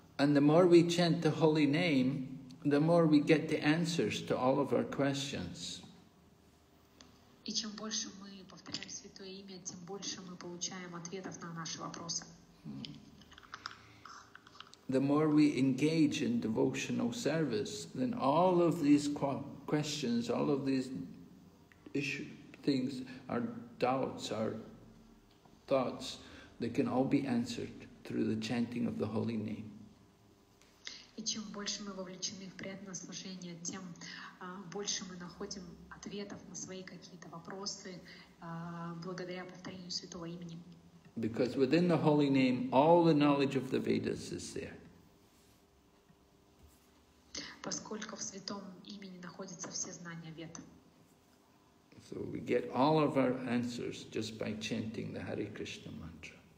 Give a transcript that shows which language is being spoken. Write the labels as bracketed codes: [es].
[en] And the more we chant the holy name, the more we get the answers to all of our questions. [ru] И чем больше мы повторяем Святое Имя, тем больше мы получаем ответов на наши вопросы. [en] The more we engage in devotional service, then all of these questions, all of these issues, things, our doubts, our thoughts, they can all be answered through the chanting of the holy name. [ru] И чем больше мы вовлечены в преданное служение, тем больше мы находим ответов на свои какие-то вопросы благодаря повторению Святого Имени. [en] Because within the holy name, all the knowledge of the Vedas is there. [ru] Поскольку в Святом Имени находятся все знания Вед. [en] So we get all of our answers just by chanting the Hare Krishna mantra.